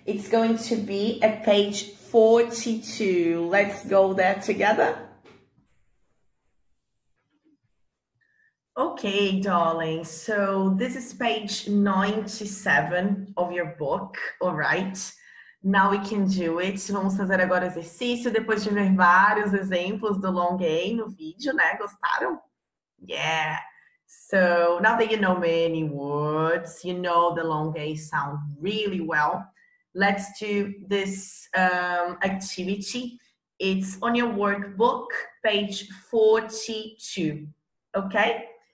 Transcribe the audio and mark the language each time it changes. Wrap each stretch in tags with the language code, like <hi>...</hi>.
<en>It's going to be at page 42. Let's go there together. Okay, darling. So this is page 97 of your book, all right? Now we can do it.</en> <pt>Vamos fazer agora o exercício depois de ver vários exemplos do long A no vídeo, né? Gostaram? Yeah.</pt> <en>So now that you know many words, you know the long A sound really well. Let's do this activity. It's on your workbook, page 42. Okay?</en>